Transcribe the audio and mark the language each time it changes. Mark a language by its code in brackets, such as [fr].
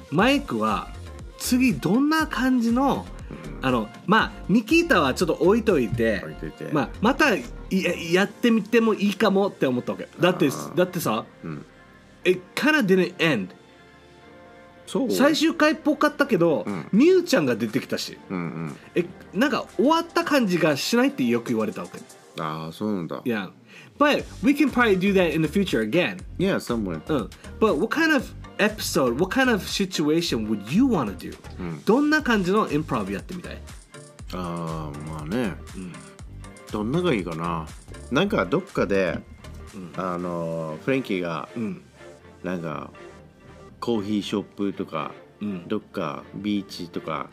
[ja] マイクは次どんな感じの、うん、あの、まあニキータはちょっと置いといて、まあ、また やってみてもいいかもって思ったわけだってさ、うん、 [en] It kind of didn't end [ja] そう最終回っぽかったけど、うん、ミュウちゃんが出てきたし、うんうん、えなんか終わった感じがしないってよく言われたわけああそうなんだ [en] Yeah But we can probably do that in the future again Yeah, somewhere、うん、But what kind of episode What kind of situation would you want to do?、 [ja] うん、どんな感じのインプロブやってみたいああまあね、うん、どんながいいかななんかどっかで、うん、あのフレンキーが、うん、なんかコーヒーショップとか、うん、どっかビーチとか、